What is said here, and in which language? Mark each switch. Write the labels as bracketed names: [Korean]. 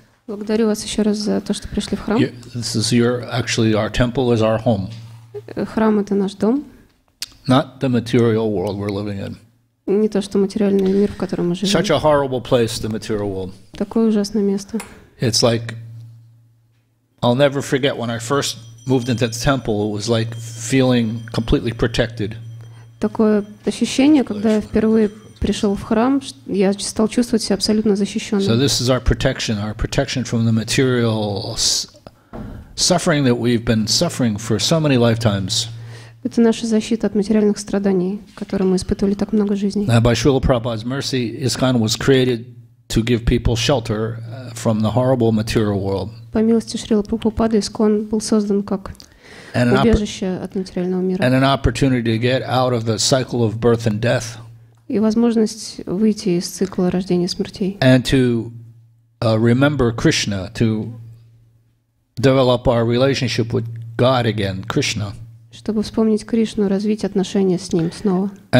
[Russian] Благодарю вас еще раз за то, что пришли в храм. [English] This is your, actually our temple is our home. [Russian] Храм это наш дом. [English] Not the material world we're living in. [Russian] Не то, что материальный мир, в котором мы живем. [English] Such a horrible place, the material world. [Russian] Такое ужасное место. [English] It's like, I'll never forget when I first moved into the temple, it was like feeling completely protected. [Russian] Такое ощущение, когда я впервые пришел в храм, я стал чувствовать себя абсолютно защищенным. [English] So this is our protection from the material suffering that we've been suffering for so many lifetimes. [Russian] Это наша защита от материальных страданий, которые мы испытывали так много жизней. [English] By Srila Prabhupada's mercy, ISKCON was created to give people shelter from the horrible material world. [Russian] По милости Шрилы Прабхупады, ISKCON был создан как убежище от материального мира. [English] And an opportunity to get out of the cycle of birth and death. [Russian] И возможность выйти из цикла рождения и смертей. [English] And to remember Krishna, to develop our relationship with God again, Krishna. [Russian] Чтобы вспомнить Кришну, развить отношения с Ним снова.